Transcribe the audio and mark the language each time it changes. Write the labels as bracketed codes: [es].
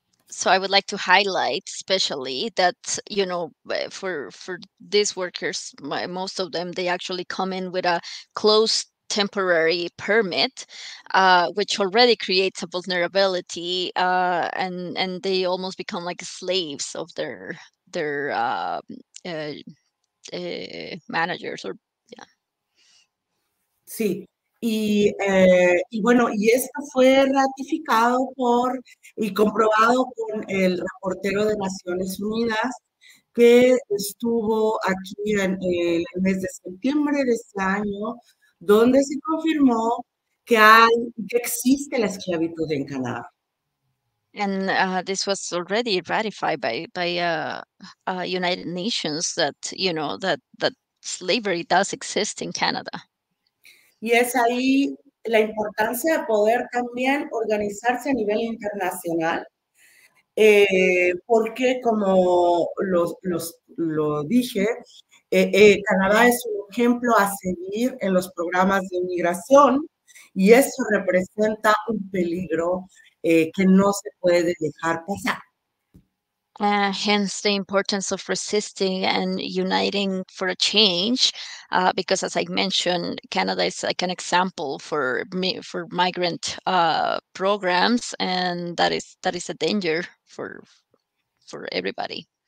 [en] So I would like to highlight especially that, you know, for these workers, most of them, they actually come in with a closed temporary permit, which already creates a vulnerability, and they almost become like slaves of their managers or, yeah. [es] Sí. Y bueno, y esto fue ratificado por y comprobado con el reportero de Naciones Unidas que estuvo aquí en el mes de septiembre de este año, donde se confirmó que existe la esclavitud en Canadá. [en] And this was already ratified by United Nations that, you know, that slavery does exist in Canada. [es] Y es ahí la importancia de poder también organizarse a nivel internacional, porque como lo dije, Canadá es un ejemplo a seguir en los programas de inmigración y eso representa un peligro que no se puede dejar pasar. [en] Hence the importance of resisting and uniting for a change, because as I mentioned, Canada is like an example for migrant programs, and that is a danger for everybody.